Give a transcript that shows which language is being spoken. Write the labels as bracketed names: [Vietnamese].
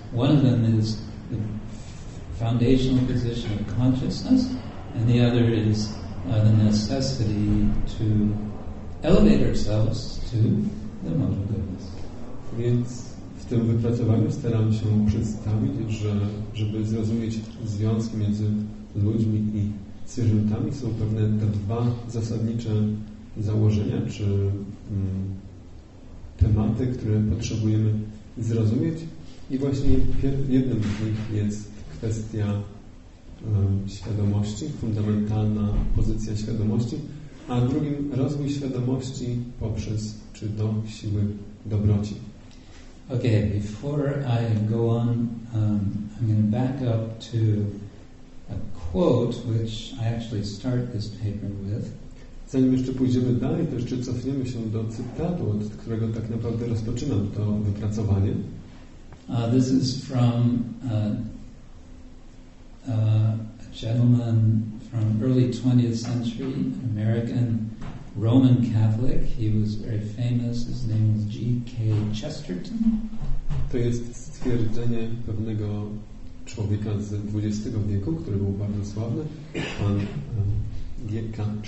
[English] One of them is the foundational position of consciousness. And the other is the necessity to elevate ourselves to the mode of goodness. [Polish] Więc w tym wypracowaniu staram się przedstawić, że żeby zrozumieć związki między ludźmi i zwierzętami, są pewne te dwa zasadnicze założenia, czy tematy, które potrzebujemy zrozumieć. I właśnie jednym z nich jest kwestia świadomości, fundamentalna pozycja świadomości, a drugim rozwój świadomości poprzez czy do siły dobroci. [English] Okay, before I go on, I'm going to back up to a quote which I actually start this paper with. [Polish] Zanim jeszcze pójdziemy dalej, to jeszcze cofniemy się do cytatu, od którego tak naprawdę rozpoczynam to wypracowanie. [English] This is from a gentleman from early 20th century, an American Roman Catholic. He was very famous. His name was G.K. Chesterton. [Polish] To jest stwierdzenie pewnego człowieka z XX wieku, który był bardzo sławny, pan G.K.